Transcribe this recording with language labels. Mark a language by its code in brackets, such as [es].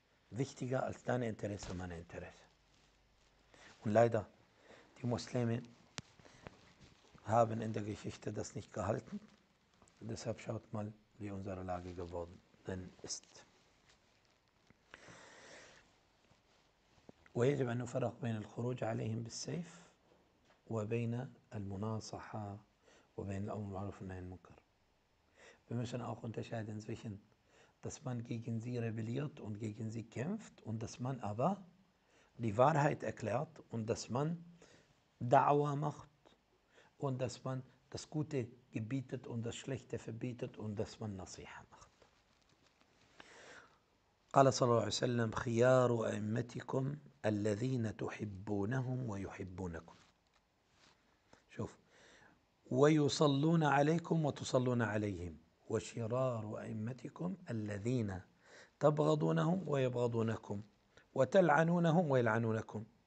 [de] Wichtiger als deine Interesse und meine Interesse. Und leider, die Muslime haben in der Geschichte das nicht gehalten. Und deshalb schaut mal, wie unsere Lage geworden ist. [ar] ويجب أن نفرق بين الخروج عليهم بالسيف وبين المناصحة وبين الأمر بالمعروف والنهي عن المنكر. [de] Wir müssen auch unterscheiden zwischen, dass man gegen sie rebelliert und gegen sie kämpft und dass man aber die Wahrheit erklärt und dass man Da'wah macht und dass man das Gute gebietet und das Schlechte verbietet und dass man Nasiha macht. [ar] قال صلى الله عليه وسلم خيار أئمتكم الذين تحبونهم ويحبونكم. شوف ويصلون عليكم وتصلون عليهم وشرار أئمتكم الذين تبغضونهم ويبغضونكم وتلعنونهم ويلعنونكم.